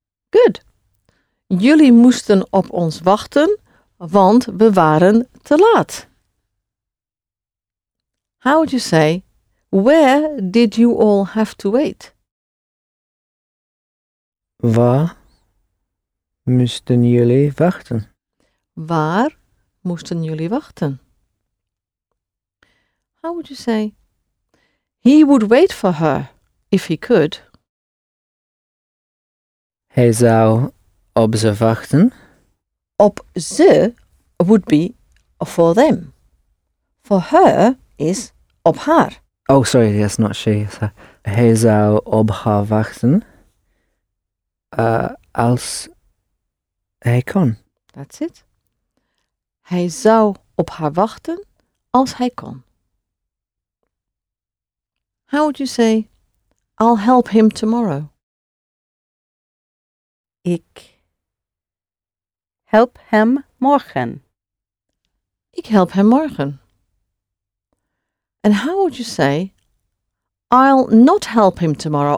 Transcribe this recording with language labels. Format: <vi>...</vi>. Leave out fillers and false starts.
<nl>Good. Jullie moesten op ons wachten, want we waren te laat.</nl> <en>How would you say, Where did you all have to wait?</en> <nl>Waar moesten jullie wachten? Waar moesten jullie wachten?</nl> <en>How would you say? He would wait for her if he could.</en> <nl>Hij zou op ze wachten. Op ze</nl> <en>would be for them. For her is</en> <nl>op haar.</nl> <en>Oh, sorry, that's not she.</en> <nl>Hij zou op haar wachten als hij kon.</nl> <en>That's it.</en> <nl>Hij zou op haar wachten als hij kon.</nl> <en>How would you say, I'll help him tomorrow?</en> <nl>Ik help hem morgen. Ik help hem morgen.</nl> <en>And how would you say, I'll not help him tomorrow.</en>